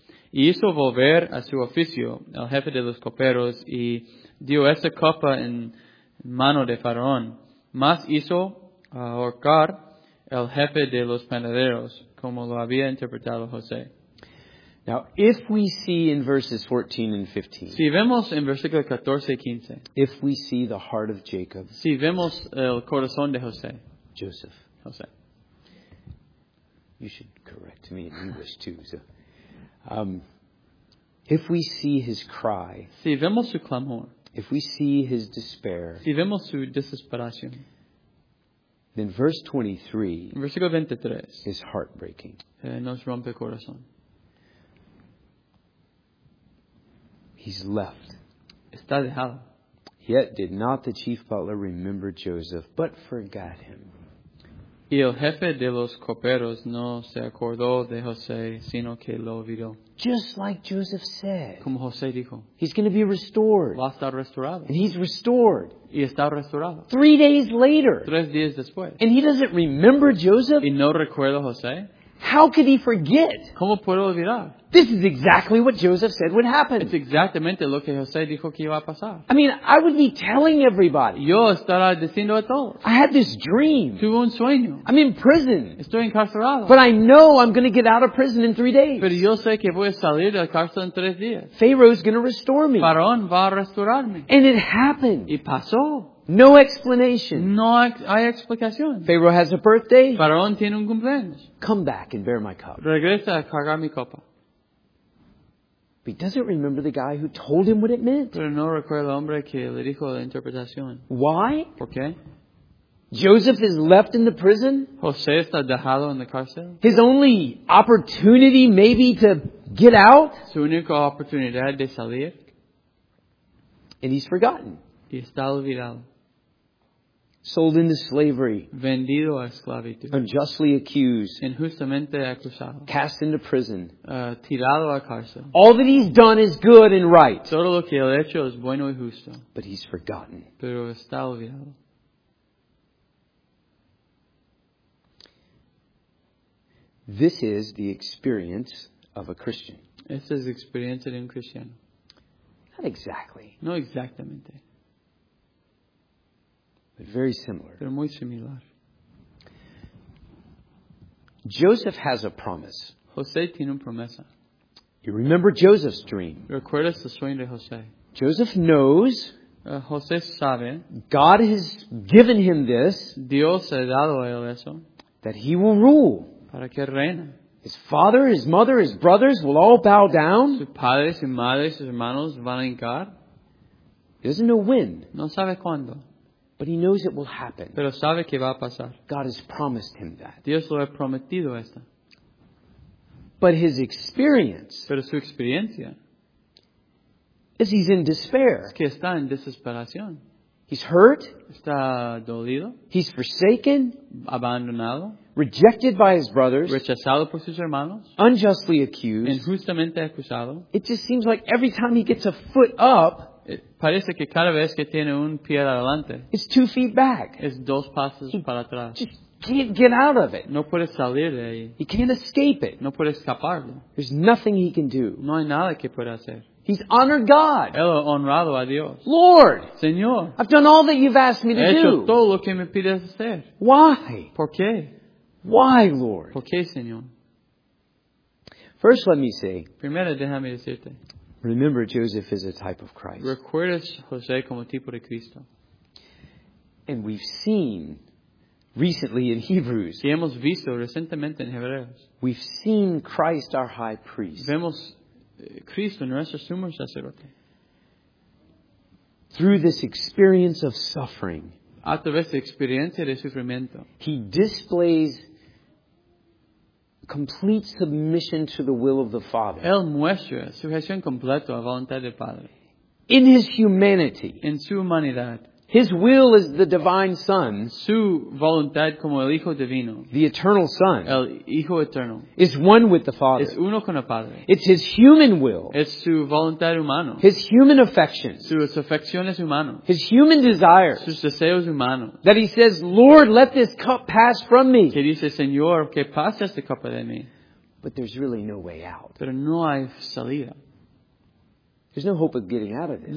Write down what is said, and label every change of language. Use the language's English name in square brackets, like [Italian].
[Spanish] Y hizo volver a su oficio al jefe de los coperos y dio esa copa en mano de Faraón. Mas hizo ahorcar el jefe de los panaderos, como lo había interpretado José. [English] Now, if we see in verses 14 and 15, [Spanish] si vemos en versículo 14 y 15, [English] if we see the heart of Jacob, [Spanish] si vemos el corazón de José, [English] Joseph, [Spanish] José, [English] you should correct me in English too. So, if we see his cry, [Spanish] si vemos su clamor, [English] if we see his despair, [Spanish] si vemos su desesperación, [English] then verse 23, [Spanish] versículo 23 [English] is heartbreaking. [Spanish] Nos rompe el corazón. [English] He's left. [Spanish] Está dejado. [English] Yet did not the chief butler remember Joseph, but forgot him. [Spanish] Y el jefe de los coperos no se acordó de José, sino que lo olvidó. [English] Just like Joseph said. [Spanish] Como José dijo. [English] He's going to be restored. [Spanish] Va a estar restaurado. [English] And he's restored. [Spanish] Y está restaurado. [English] 3 days later. [Spanish] 3 días después. [English] And he doesn't remember Joseph. [Spanish] Y no recuerda José. [English] How could he forget? [Spanish] ¿Cómo puedo olvidar? [English] This is exactly what Joseph said would happen. [Spanish] Es exactamente lo que José dijo que iba a pasar. [English] I mean, I would be telling everybody. [Spanish] Yo estará diciendo a todos. [English] I had this dream. [Spanish] Tuve un sueño. [English] I'm in prison. [Spanish] Estoy encarcelado. [English] But I know I'm going to get out of prison in 3 days. [Spanish] Pero yo sé que voy a salir de la cárcel en 3 días. [English] Pharaoh's going to restore me. [Spanish] Faraón va a restaurarme. [English] And it happened. [Spanish] Y pasó. [English] No explanation. [Spanish] No hay explicación. [English] Pharaoh has a birthday. [Spanish] Faraón tiene un cumpleaños. [English] Come back and bear my cup. [Spanish] Regresa a cargar mi copa. [English] But he doesn't remember the guy who told him what it meant. [Spanish] Pero no recuerda el hombre que le dijo la interpretación. [English] Why? [Spanish] ¿Por qué? [English] Joseph is left in the prison. [Spanish] José está dejado en la cárcel. [English] His only opportunity maybe to get out. [Spanish] Su única oportunidad de salir. [English] And he's forgotten. [Spanish] Y está olvidado. [English] sold into slavery, [Spanish] vendido a esclavitud, [English] unjustly accused, [Spanish] injustamente acusado, [English] cast into prison, [Spanish] tirado a cárcel. [English] All that he's done is good and right. [Spanish] Todo lo que él ha hecho es bueno y justo. [English] But he's forgotten. [Spanish] Pero está olvidado. [English] This is the experience of a Christian. [Spanish] Esta es la experiencia de un cristiano. [English] Not exactly. [Spanish] No exactamente. [English] But very similar. [Spanish] Pero muy similar. [English] Joseph has a promise. [Spanish] José tiene una promesa. [English] You remember Joseph's dream. [Spanish] ¿Recuerdas el sueño de José? [English] Joseph knows. [Spanish] José sabe. [English] God has given him this. [Spanish] Dios ha dado a él eso. [English] That he will rule. [Spanish] Para que reine. [English] His father, his mother, his brothers will all bow down. [Spanish] Sus padres y madres, sus hermanos van a hincar. [English] He doesn't know when. [Spanish] No sabe cuándo. [English] But he knows it will happen. [Spanish] Pero sabe que va a pasar. [English] God has promised him that. [Spanish] Dios lo ha prometido esto. [English] But his experience. [Spanish] Pero su experiencia. [English] Is he's in despair. [Spanish] Es que está en desesperación. [English] He's hurt. [Spanish] Está dolido. [English] He's forsaken. [Spanish] Abandonado. [English] Rejected by his brothers. [Spanish] Rechazado por sus hermanos. [English] Unjustly accused. [Spanish] Injustamente acusado. [English] It just seems like every time he gets a foot up. [Spanish] Parece que cada vez que tiene un pie adelante, [English] it's 2 feet back. [Spanish] Es dos pasos para atrás. [English] Just can't get out of it. [Spanish] No puede salir de ahí. [English] He can't escape it. [Spanish] No puede escaparlo. [English] There's nothing he can do. [Spanish] No hay nada que pueda hacer. [English] He's honored God. [Spanish] Él ha honrado a Dios. [English] Lord. [Spanish] Señor. [English] I've done all that you've asked me to do. [Spanish] He hecho todo lo que me pides hacer. [English] Why? [Spanish] ¿Por qué? [English] Why, Lord? [Spanish] ¿Por qué, Señor? [English] First, let me say. [Spanish] Primero, déjame decirte. [English] Remember, Joseph is a type of Christ. [Spanish] ¿Recuerdas José como tipo de Cristo? [English] And we've seen recently in Hebrews. [Spanish] Y hemos visto recientemente en Hebreos. [English] We've seen Christ, our high priest. [Spanish] Vemos Cristo, nuestro sumo sacerdote. [English] Through this experience of suffering. [Spanish] A través de experiencia de sufrimiento. [English] He displays complete submission to the will of the Father. [Spanish] Él muestra sujeción completa a voluntad del Padre. [English] In his humanity. [Spanish] En su humanidad. [English] His will is the divine Son. [Spanish] Su voluntad como el Hijo Divino. [English] The eternal Son. [Spanish] El Hijo Eterno. [English] Is one with the Father. [Spanish] Es uno con el Padre. [English] It's his human will. [Spanish] Es su voluntad humana. [English] His human affections. [Spanish] Sus afecciones humanas. [English] His human desires. [Spanish] Sus deseos humanos. [English] That he says, Lord, let this cup pass from me. [Spanish] Que dice, Señor, que pase esta copa de mí. [English] But there's really no way out. [Spanish] Pero no hay salida. [English] There's no hope of getting out of this.